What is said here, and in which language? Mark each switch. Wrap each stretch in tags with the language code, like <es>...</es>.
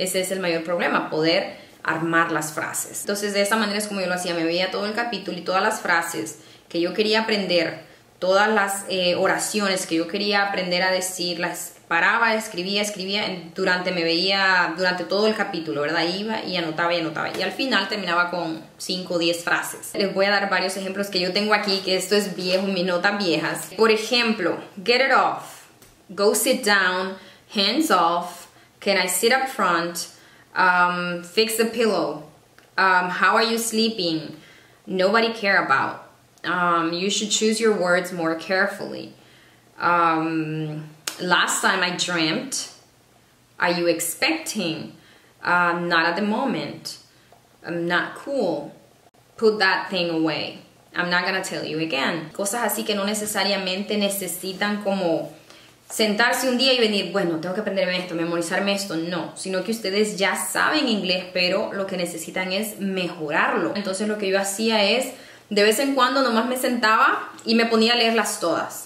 <es>Ese es el mayor problema, poder armar las frases. Entonces, de esa manera es como yo lo hacía, me veía todo el capítulo y todas las frases que yo quería aprender, todas las oraciones que yo quería aprender a decir, las paraba, escribía, escribía, durante todo el capítulo, ¿verdad? Iba y anotaba y anotaba. Y al final terminaba con 5 o 10 frases. Les voy a dar varios ejemplos que yo tengo aquí, que esto es viejo, mis notas viejas. Por ejemplo,</es> <en>get it off, go sit down, hands off, can I sit up front, fix the pillow, how are you sleeping, nobody care about, you should choose your words more carefully, last time I dreamt, are you expecting, not at the moment, I'm not cool, put that thing away, I'm not gonna tell you again.</en> <es>Cosas así que no necesariamente necesitan como sentarse un día y venir, bueno, tengo que aprenderme esto, memorizarme esto, no, sino que ustedes ya saben inglés, pero lo que necesitan es mejorarlo. Entonces lo que yo hacía es, de vez en cuando nomás me sentaba y me ponía a leerlas todas.</es>